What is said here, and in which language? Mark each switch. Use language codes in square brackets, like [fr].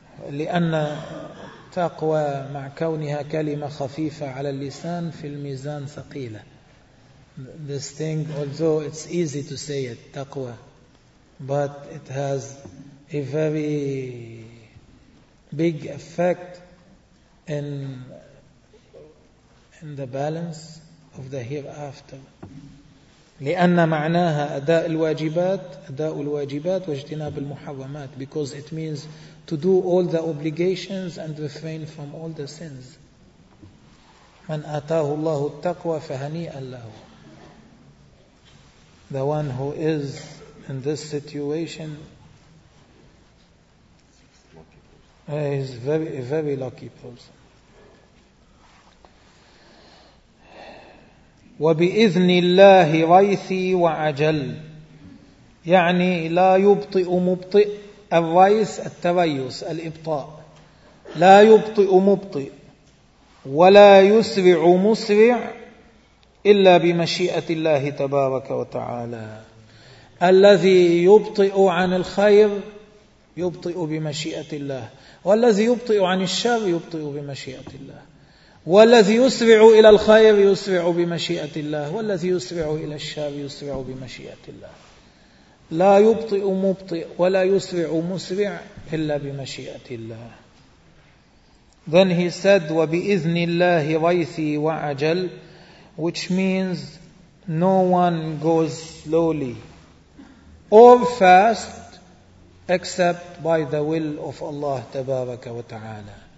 [ar] لأن تقوى مع كونها كلمة خفيفة على اللسان في الميزان ثقيلة. [en] This thing, although it's easy to say it, تقوى, but it has a very big effect in the balance of the hereafter. [ar] لأن معناها أداء الواجبات، أداء الواجبات واجتناب المحرمات. [en] Because it means to do all the obligations and refrain from all the sins. [ar] من آتاه الله التقوى فهنيئا له. [en] The one who is in this situation is very, very lucky person. [ar] وبإذن الله ريثي وعجل، يعني لا يبطئ مبطئ، الريث التريث الإبطاء، لا يبطئ مبطئ ولا يسرع مسرع إلا بمشيئة الله تبارك وتعالى. الذي يبطئ عن الخير يبطئ بمشيئة الله، والذي يبطئ عن الشر يبطئ بمشيئة الله، والذي يسرع إلى الخير يسرع بمشيئة الله، والذي يسرع إلى الشر يسرع بمشيئة الله. لا يبطئ مبطئ ولا يسرع مسرع إلا بمشيئة الله. [en] Then he said, [ar] وبإذن الله ريثي وعجل, [en] which means no one goes slowly or fast except by the will of Allah تبارك وتعالى.